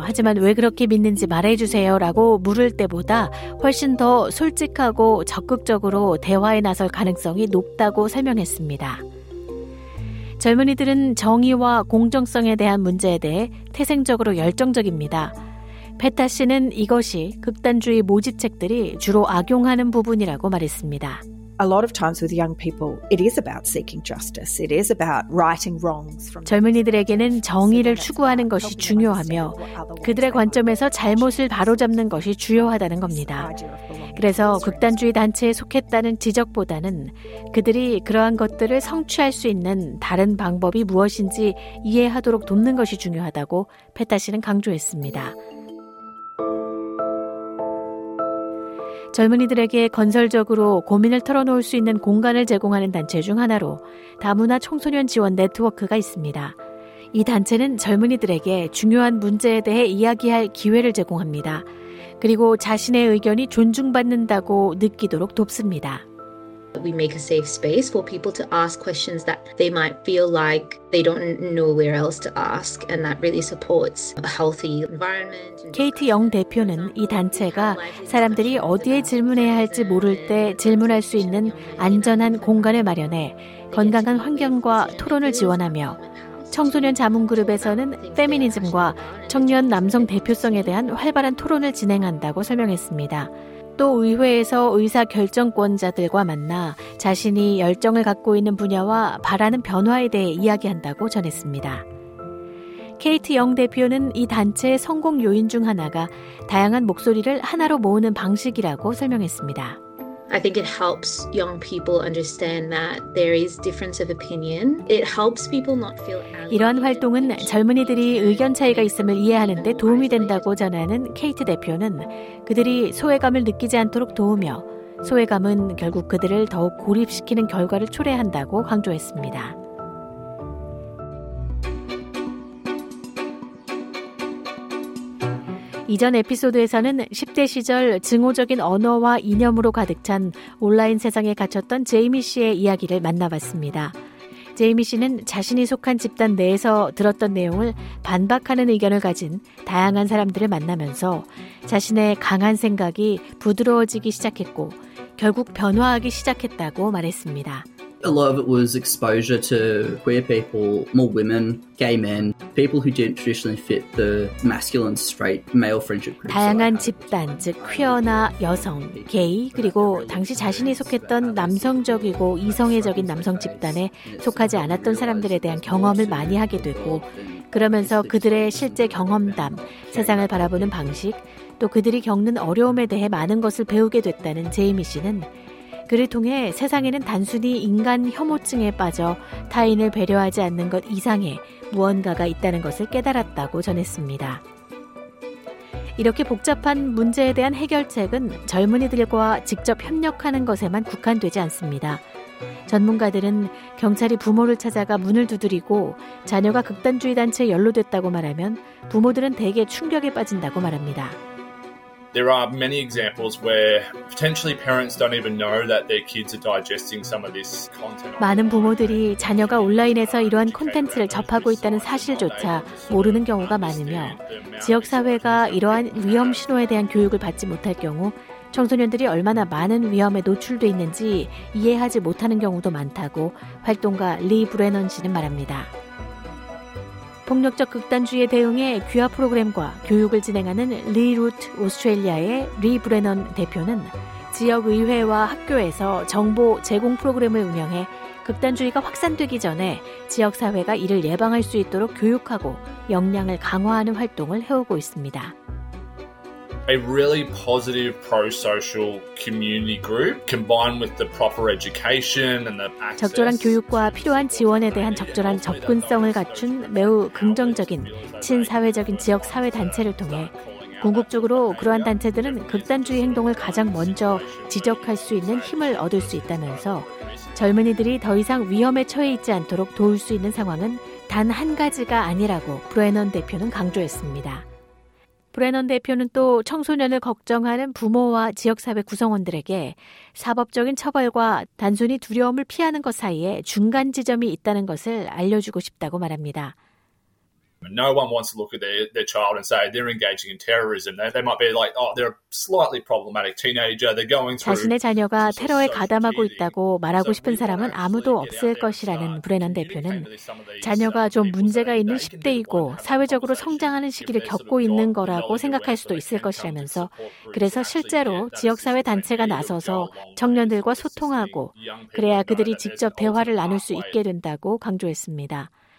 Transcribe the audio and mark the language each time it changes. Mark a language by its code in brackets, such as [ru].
[ko] 하지만 왜 그렇게 믿는지 말해주세요 라고 물을 때보다 훨씬 더 솔직하고 적극적으로 대화에 나설 가능성이 높다고 설명했습니다. 젊은이들은 정의와 공정성에 대한 문제에 대해 태생적으로 열정적입니다. 페타 씨는 이것이 극단주의 모집책들이 주로 악용하는 부분이라고 말했습니다. [en] A lot of times with young people, it is about seeking justice. It is about righting wrongs. [ko] 젊은이들에게는 정의를 추구하는 것이 중요하며 그들의 관점에서 잘못을 바로잡는 것이 주요하다는 겁니다. 그래서 극단주의 단체에 속했다는 지적보다는 그들이 그러한 것들을 성취할 수 있는 다른 방법이 무엇인지 이해하도록 돕는 것이 중요하다고 페타 씨는 강조했습니다. 젊은이들에게 건설적으로 고민을 털어놓을 수 있는 공간을 제공하는 단체 중 하나로 다문화 청소년 지원 네트워크가 있습니다. 이 단체는 젊은이들에게 중요한 문제에 대해 이야기할 기회를 제공합니다. 그리고 자신의 의견이 존중받는다고 느끼도록 돕습니다. [en] We make a safe space for people to ask questions that they might feel like they don't know where else to ask, and that really supports a healthy environment. [ko] Kate Young 대표는 이 단체가 사람들이 어디에 질문해야 할지 모를 때 질문할 수 있는 안전한 공간을 마련해 건강한 환경과 토론을 지원하며 청소년 자문 그룹에서는 페미니즘과 청년 남성 대표성에 대한 활발한 토론을 진행한다고 설명했습니다. 또 의회에서 의사결정권자들과 만나 자신이 열정을 갖고 있는 분야와 바라는 변화에 대해 이야기한다고 전했습니다. 케이트 영 대표는 이 단체의 성공 요인 중 하나가 다양한 목소리를 하나로 모으는 방식이라고 설명했습니다. [en] I think it helps young people understand that there is difference of opinion. It helps people not feel alienated. [ko] 이러한 활동은 젊은이들이 의견 차이가 있음을 이해하는 데 도움이 된다고 전하는 케이트 대표는 그들이 소외감을 느끼지 않도록 도우며 소외감은 결국 그들을 더욱 고립시키는 결과를 초래한다고 강조했습니다. 이전 에피소드에서는 10대 시절 증오적인 언어와 이념으로 가득 찬 온라인 세상에 갇혔던 제이미 씨의 이야기를 만나봤습니다. 제이미 씨는 자신이 속한 집단 내에서 들었던 내용을 반박하는 의견을 가진 다양한 사람들을 만나면서 자신의 강한 생각이 부드러워지기 시작했고 결국 변화하기 시작했다고 말했습니다. [en] A lot of it was exposure to queer people, more women, gay men, people who didn't traditionally fit the masculine, straight, male friendship groups. [ko] 다양한 집단, 즉 퀴어나 여성, 게이, 그리고 당시 자신이 속했던 남성적이고 이성애적인 남성 집단에 속하지 않았던 사람들에 대한 경험을 많이 하게 되고 그러면서 그들의 실제 경험담, 세상을 바라보는 방식, 또 그들이 겪는 어려움에 대해 많은 것을 배우게 됐다는 제이미 씨는 그를 통해 세상에는 단순히 인간 혐오증에 빠져 타인을 배려하지 않는 것 이상의 무언가가 있다는 것을 깨달았다고 전했습니다. 이렇게 복잡한 문제에 대한 해결책은 젊은이들과 직접 협력하는 것에만 국한되지 않습니다. 전문가들은 경찰이 부모를 찾아가 문을 두드리고 자녀가 극단주의 단체에 연루됐다고 말하면 부모들은 대개 충격에 빠진다고 말합니다. [en] There are many examples where potentially parents don't even know that their kids are digesting some of this content. [ko] 많은 부모들이 자녀가 온라인에서 이러한 콘텐츠를 접하고 있다는 사실조차 모르는 경우가 많으며 지역사회가 이러한 위험 신호에 대한 교육을 받지 못할 경우 청소년들이 얼마나 많은 위험에 노출돼 있는지 이해하지 못하는 경우도 많다고 활동가 리 브레넌 씨는 말합니다. 폭력적 극단주의에 대응해 귀화 프로그램과 교육을 진행하는 리루트 오스트레일리아의 리 브레넌 대표는 지역의회와 학교에서 정보 제공 프로그램을 운영해 극단주의가 확산되기 전에 지역사회가 이를 예방할 수 있도록 교육하고 역량을 강화하는 활동을 해오고 있습니다. [en] A really positive pro-social community group combined with the proper education and the access. [ko] 적절한 교육과 필요한 지원에 대한 적절한 접근성을 갖춘 매우 긍정적인 친사회적인 지역 사회 단체를 통해 궁극적으로 그러한 단체들은 극단주의 행동을 가장 먼저 지적할 수 있는 힘을 얻을 수 있다면서 젊은이들이 더 이상 위험에 처해 있지 않도록 도울 수 있는 상황은 단 한 가지가 아니라고 브레넌 대표는 강조했습니다. 브레넌 대표는 또 청소년을 걱정하는 부모와 지역사회 구성원들에게 사법적인 처벌과 단순히 두려움을 피하는 것 사이에 중간 지점이 있다는 것을 알려주고 싶다고 말합니다. [en] No one wants to look at their child and say they're engaging in terrorism. They might be like, oh, they're a slightly problematic teenager. They're going through. [ko] 자신의 자녀가 테러에 가담하고 있다고 말하고 싶은 사람은 아무도 없을 것이라는 브레넌 대표는 자녀가 좀 문제가 있는 10대이고 사회적으로 성장하는 시기를 겪고 있는 거라고 생각할 수도 있을 것이라면서 그래서 실제로 지역사회 단체가 나서서 청년들과 소통하고 그래야 그들이 직접 대화를 나눌 수 있게 된다고 강조했습니다.